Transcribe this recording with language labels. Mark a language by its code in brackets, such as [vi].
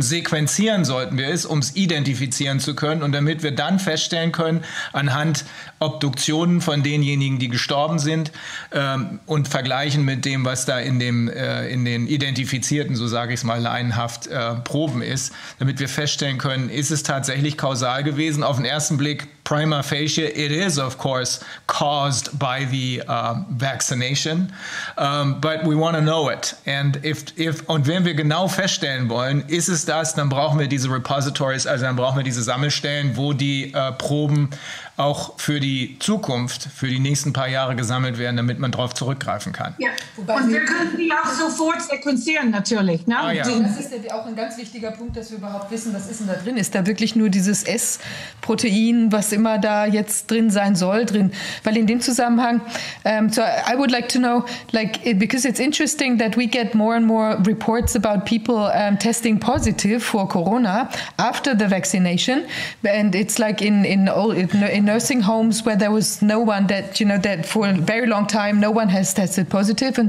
[de] Sequenzieren sollten wir es, um es identifizieren zu können und damit wir dann feststellen können, anhand Obduktionen von denjenigen, die gestorben sind, und vergleichen mit dem, was da in den identifizierten, so sage ich es mal laienhaft, Proben ist, damit wir feststellen können, ist es tatsächlich kausal gewesen? Auf den ersten Blick, [en] prima facie, it is of course caused by the vaccination, but we want to know it. And if [de] wenn wir genau feststellen wollen, ist es das, dann brauchen wir diese Repositories, also dann brauchen wir diese Sammelstellen, wo die Proben auch für die Zukunft, für die nächsten paar Jahre gesammelt werden, damit man darauf zurückgreifen kann. Ja, und wir können die auch sofort sequenzieren natürlich. Ne? Ah, ja. Das ist ja auch ein ganz wichtiger Punkt, dass wir überhaupt wissen, was ist denn da drin. Ist da wirklich nur dieses S-Protein, was immer da jetzt drin sein soll, drin? Weil in dem Zusammenhang, [en] so I would like to know, like, because it's interesting that we get more and more reports about people testing positive for Corona after the vaccination. And it's like in nursing homes where there was no one that, you know, that for a very long time no one has tested positive.